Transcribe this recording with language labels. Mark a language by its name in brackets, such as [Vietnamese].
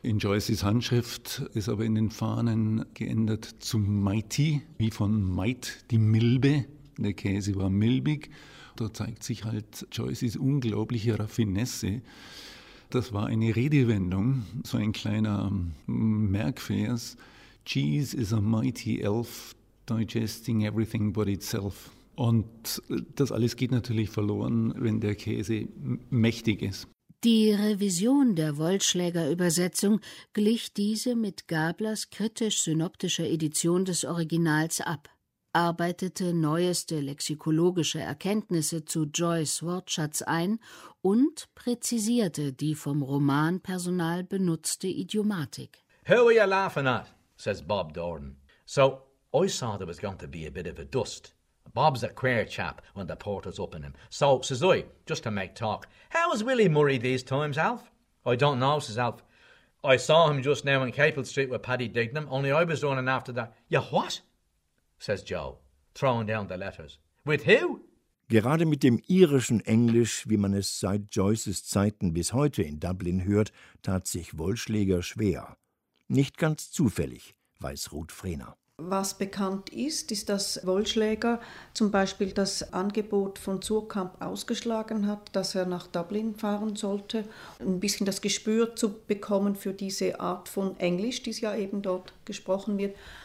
[German] In Joyces Handschrift ist aber in den Fahnen geändert zu mighty, wie von might die Milbe. Der Käse war milbig. Da zeigt sich halt Joyces unglaubliche Raffinesse. Das war eine Redewendung, so ein kleiner Merkvers. [English] Cheese is a mighty elf, digesting everything but itself. [German] Und das alles geht natürlich verloren, wenn der Käse mächtig ist. Die Revision der Wollschläger-Übersetzung glich diese mit Gablers kritisch-synoptischer Edition des Originals ab, arbeitete neueste lexikologische Erkenntnisse zu Joyce' Wortschatz ein und präzisierte die vom Romanpersonal benutzte Idiomatik. [English] Who are you laughing at? Says Bob Dorn. So, I saw there was going to be a bit of a dust. Bob's a queer chap when the porter's up in him. So, says I, just to make talk, how is Willie Murray these times, Alf? I don't know, says Alf. I saw him just now in Capel Street with Paddy Dignam, only I was running after that. Ja, what? Says Joe, throwing down the letters. With who? [German] Gerade mit dem irischen Englisch, wie man es seit Joyces Zeiten bis heute in Dublin hört, tat sich Wollschläger schwer. Nicht ganz zufällig, weiß Ruth Frehner. Was bekannt ist, ist, dass Wollschläger zum Beispiel das Angebot von Suhrkamp ausgeschlagen hat, dass er nach Dublin fahren sollte, ein bisschen das Gespür zu bekommen für diese Art von Englisch, die ja eben dort gesprochen wird.